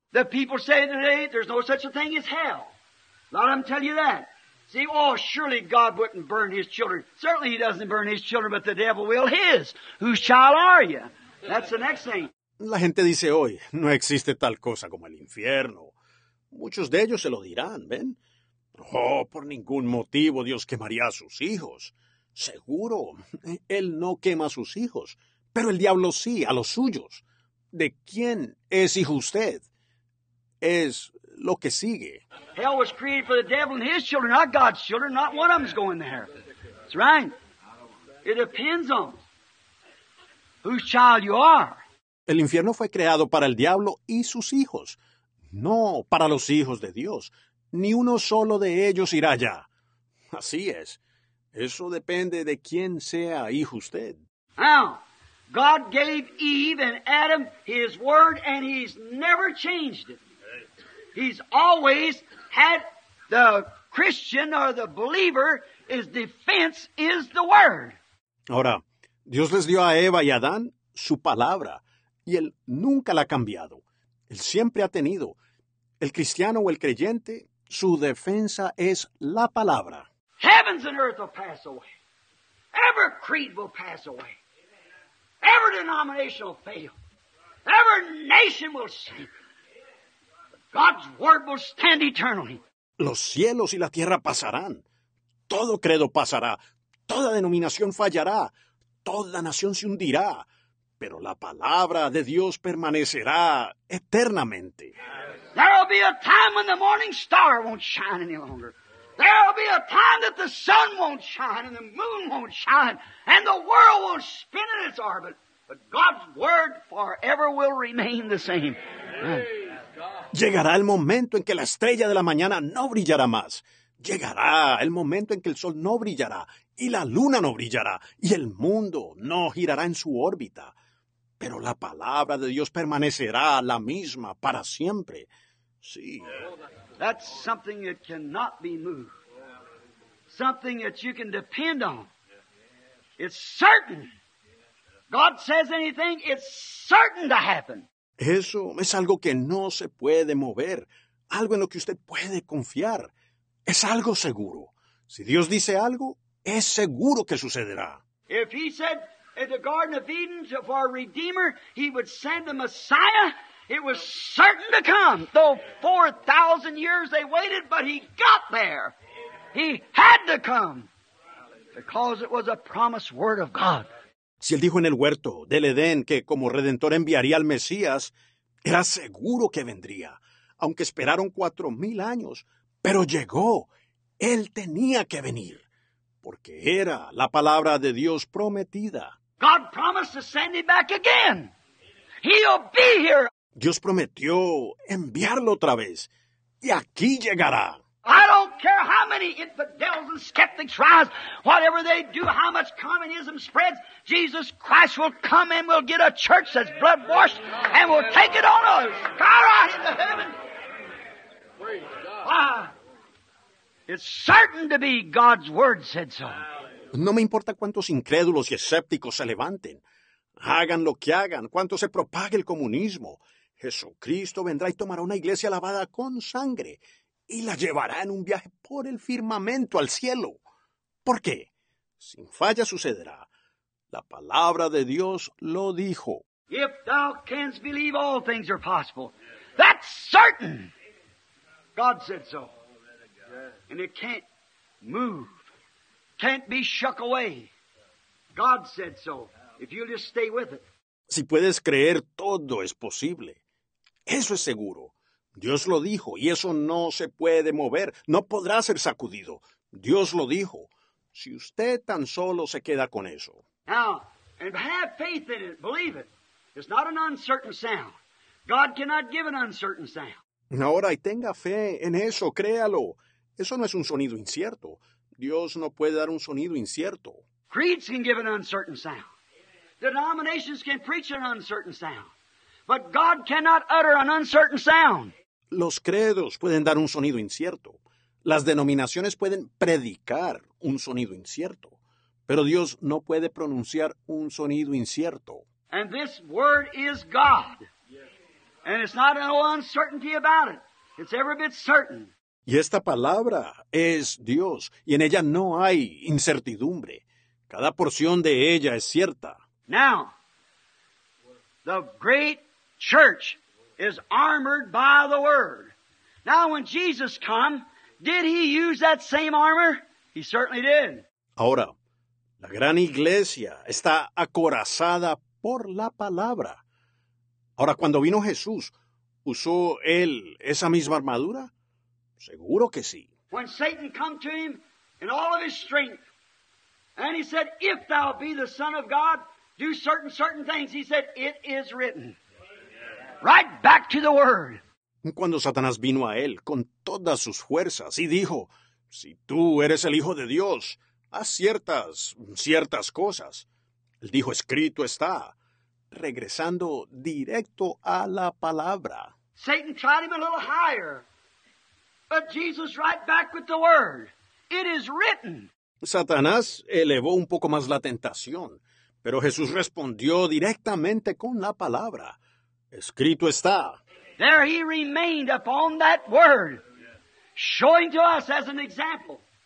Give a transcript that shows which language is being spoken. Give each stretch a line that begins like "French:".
English: The people say today, there's no such a thing as hell. Let them tell you that. See, oh, surely God wouldn't burn His children. Certainly He doesn't burn His children, but the devil will His. Whose child are you? That's the next thing.
Spanish: La gente dice hoy, no existe tal cosa como el infierno. Muchos de ellos se lo dirán, ¿ven? Oh, por ningún motivo Dios quemaría a sus hijos. Seguro, Él no quema a sus hijos, pero el diablo sí, a los suyos. ¿De quién es hijo usted? Es lo que sigue.
English: Hell was created for the devil and his children, not God's children. Not one of them's going there. That's right. It depends on whose child you are.
Spanish: El infierno fue creado para el diablo y sus hijos, no para los hijos de Dios. Ni uno solo de ellos irá allá. Así es. Eso depende de quién sea hijo usted.
English: Now, God gave Eve and Adam his word and he's never changed it. He's always had the Christian or the believer, his defense is the word.
Spanish: Ahora, Dios les dio a Eva y a Adán su palabra, y él nunca la ha cambiado. Él siempre ha tenido. El cristiano o el creyente, su defensa es la palabra.
English: Heavens and earth will pass away. Every creed will pass away. Every denomination will fail. Every nation will sink. God's word will stand eternally.
Spanish: Los cielos y la tierra pasarán. Todo credo pasará. Toda denominación fallará. Toda nación se hundirá. Pero la palabra de Dios permanecerá eternamente.
English: There will be a time when the morning star won't shine any longer. There will be a time that the sun won't shine and the moon won't shine and the world won't spin in its orbit. But God's word forever will remain the same.
Spanish: Llegará el momento en que la estrella de la mañana no brillará más. Llegará el momento en que el sol no brillará y la luna no brillará y el mundo no girará en su órbita. Pero la palabra de Dios permanecerá la misma para siempre. Sí.
English: That's something that cannot be moved. Something that you can depend on. It's certain. God says anything, it's certain to happen.
Spanish: Eso es algo que no se puede mover. Algo en lo que usted puede confiar. Es algo seguro. Si Dios dice algo, es seguro que sucederá.
English: If he said in the Garden of Eden of our Redeemer, he would send the Messiah, it was certain to come. Though 4,000 years they waited, but he got there. He had to come. Because it was a promised word of God.
Spanish: Si él dijo en el huerto del Edén que como Redentor enviaría al Mesías, era seguro que vendría. Aunque esperaron 4,000 años, pero llegó. Él tenía que venir. Porque era la palabra de Dios prometida.
English: God promised to send him back again. He'll be here.
Spanish: Dios prometió enviarlo otra vez. Y aquí llegará.
English: I don't care how many infidels and skeptics rise, whatever they do, how much communism spreads, Jesus Christ will come and we'll get a church that's blood washed and we'll take it on us. Skyrocket into heaven. It's certain to be God's word said so.
Spanish: No me importa cuántos incrédulos y escépticos se levanten. Hagan lo que hagan, cuánto se propague el comunismo. Jesucristo vendrá y tomará una iglesia lavada con sangre y la llevará en un viaje por el firmamento al cielo. ¿Por qué? Sin falla sucederá. La palabra de Dios lo dijo.
English: If thou canst believe, all things are possible. That's certain. God said so. And it can't move. Can't be shook away. God said so. If you'll just stay with it.
Spanish: Si puedes creer, todo es posible. Eso es seguro. Dios lo dijo y eso no se puede mover. No podrá ser sacudido. Dios lo dijo. Si usted tan solo se queda con eso.
English: Now, and have faith in it. Believe it. It's not an uncertain sound. God cannot give an uncertain sound.
Spanish: Ahora, y tenga fe en eso. Créalo. Eso no es un sonido incierto. Dios no puede dar un sonido incierto.
English: Creeds can give an uncertain sound. Denominations can preach an uncertain sound. But God cannot utter an uncertain sound.
Spanish: Los credos pueden dar un sonido incierto. Las denominaciones pueden predicar un sonido incierto. Pero Dios no puede pronunciar un sonido incierto.
English: And this word is God. And it's not an uncertainty about it. It's every bit certain.
Spanish: Y esta palabra es Dios, y en ella no hay incertidumbre. Cada porción de ella es cierta.
English: Now, the great church is armored by the word. Now, when Jesus come, Did he use that same armor? He certainly did.
Spanish: Ahora, la gran iglesia está acorazada por la palabra. Ahora, cuando vino Jesús, ¿usó él esa misma armadura? Seguro que sí.
English: When Satan came to him in all of his strength, and he said, if thou be the Son of God, do certain things. He said, it is written. Right back to the Word.
Spanish: Cuando Satanás vino a él con todas sus fuerzas y dijo, si tú eres el Hijo de Dios, haz ciertas cosas. Él dijo, escrito está, regresando directo a la palabra.
English: Satan tried him a little higher, but Jesus right back with the Word. It is written.
Spanish: Satanás elevó un poco más la tentación, pero Jesús respondió directamente con la palabra. Escrito está.
English: There he remained upon that word, showing to us as an example.